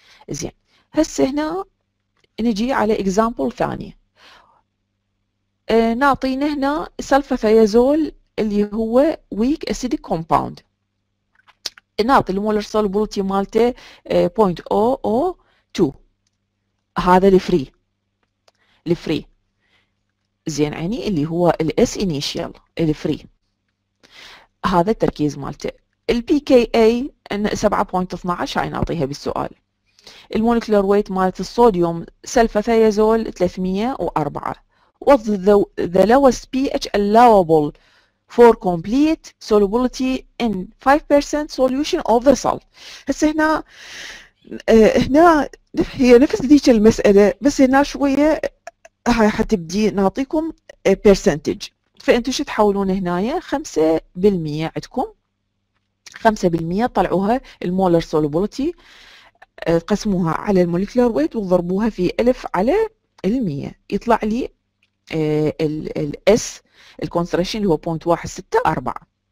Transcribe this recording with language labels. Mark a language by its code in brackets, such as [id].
[ar] زين هسه هنا نجي على اكزامبل ثانيه، نعطينا هنا سلفافيازول اللي هو ويك اسيدك كومباوند، نعطي المولر سولبولتي مالته 0.002، هذا الفري، الفري زين عيني اللي هو الاس انيشال الفري، هذا التركيز مالته. البي كي اي 7.12 هاي نعطيها بالسؤال، المولكلر ويت مالت الصوديوم سلفافيازول 304، [en] What's the lowest pH allowable for complete solubility in 5% solution of the salt. [ar] هسه هنا هنا هي نفس ذيك المسألة، بس هنا شوية هاي حتبدي نعطيكم percentage، فأنتوا شو تحولون هنا 5% عندكم 5% طلعوها المولر solubility قسموها على المولكيولار ويت وضربوها في 1000 على 100 يطلع لي الاس الكونسنتريشن اللي هو 0.164.